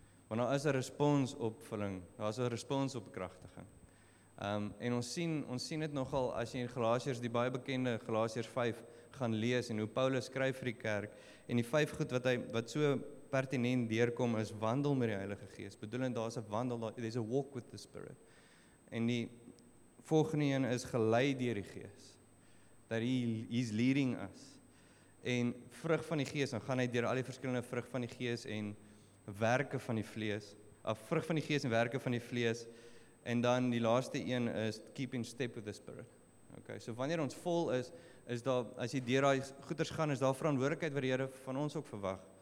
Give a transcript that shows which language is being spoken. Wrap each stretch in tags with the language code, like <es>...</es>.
<af>Want daar is 'n respons op vulling, daar is 'n respons op bekrachtiging. En ons sien dit nogal as jy in Galasiërs, die baie bekende Galasiërs 5 gaan lees en hoe Paulus skryf vir die kerk en die vyf goed wat so pertinent deurkom is wandel met die Heilige Gees. Bedoelend daar is 'n wandel,</af> <en>there's a walk with the Spirit.</en> <af>En die volgende een is gelei deur die Gees.</af> <en>Dat he's leading us.</en> <af>En vrug van die Gees, dan gaan hy deur al die verskillende vrug van die Gees en werke van die vlees. Of vrug van die Gees en werke van die vlees. En dan die laaste een is</af> <en>keep in step with the Spirit.</en> <af>Okay, so wanneer ons vol is, is daar, as jy deur daai goeders gaan, is daar verantwoordelikheid wat die Here van ons ook verwag.</af>